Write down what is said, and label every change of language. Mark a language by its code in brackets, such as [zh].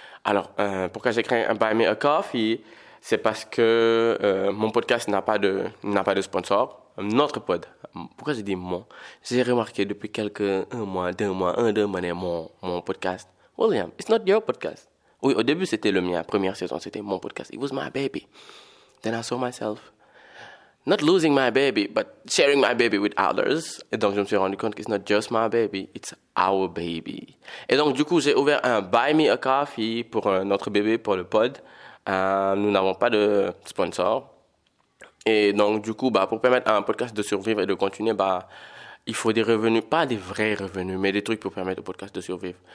[fr] Alors, pourquoi j'ai créé un Buy Me a Coffee? C'est parce que mon podcast n'a pas de sponsor. Notre pod. Pourquoi j'ai dit mon? J'ai remarqué depuis quelques deux mois, mon podcast. William, [en] it's not your podcast. [fr] Oui, au début, c'était le mien. Première saison, c'était mon podcast. [en] It was my baby. Then I saw myself not losing my baby, but sharing my baby with others. [fr] Et donc, je me suis rendu compte que [en] it's not just my baby, it's our baby. [fr] Et donc, du coup, j'ai ouvert un Buy Me a Coffee pour notre bébé, pour le pod. Nous n'avons pas de sponsor. Et donc, du coup, bah, pour permettre à un podcast de survivre et de continuer, bah, il faut des revenus, pas des vrais revenus, mais des trucs pour permettre au podcast de survivre.